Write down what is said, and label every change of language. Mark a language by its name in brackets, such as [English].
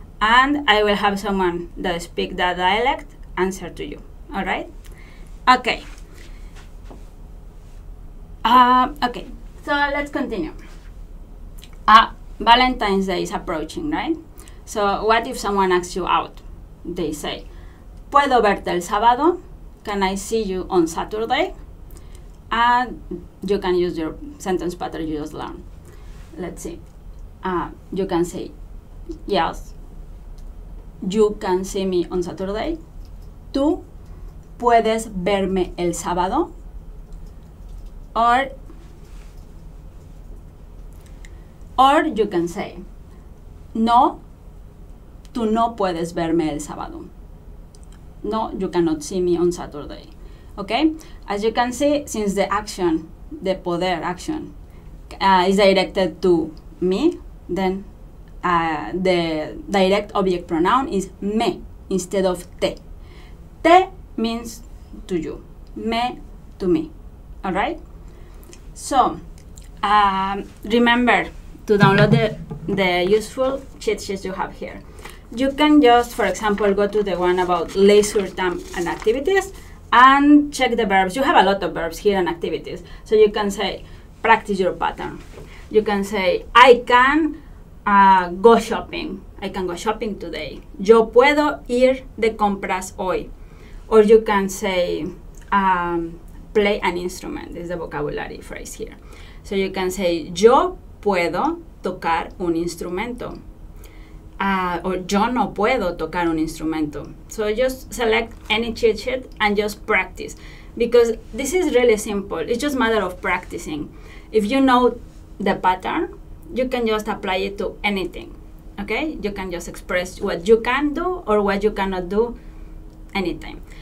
[English] And I will have someone that speak that dialect answer to you. All right? Okay. Okay. So let's continue. Valentine's Day is approaching, right? So what if someone asks you out? They say, [Spanish] ¿Puedo verte el sábado? [English] Can I see you on Saturday? And you can use your sentence pattern you just learned. Let's see. You can say, yes. You can see me on Saturday. [Spanish] Tú puedes verme el sábado. [English] Or you can say, [Spanish] no, tú no puedes verme el sábado. [English] No, you cannot see me on Saturday. Okay? As you can see, since the action, the poder action, is directed to me, then the direct object pronoun is me instead of te. Te means to you. Me, to me. All right? So, remember to download the useful cheat sheets you have here. You can just, for example, go to the one about leisure time and activities and check the verbs. You have a lot of verbs here and activities. So you can say, practice your pattern. You can say, I can go shopping. I can go shopping today. [Spanish] Yo puedo ir de compras hoy. [English] Or you can say, play an instrument. This is the vocabulary phrase here. So you can say, [Spanish] yo puedo tocar un instrumento. [English] Or [Spanish] yo no puedo tocar un instrumento. [English] So just select any cheat sheet and just practice. Because this is really simple. It's just a matter of practicing. If you know the pattern, you can just apply it to anything. Okay? You can just express what you can do or what you cannot do anytime.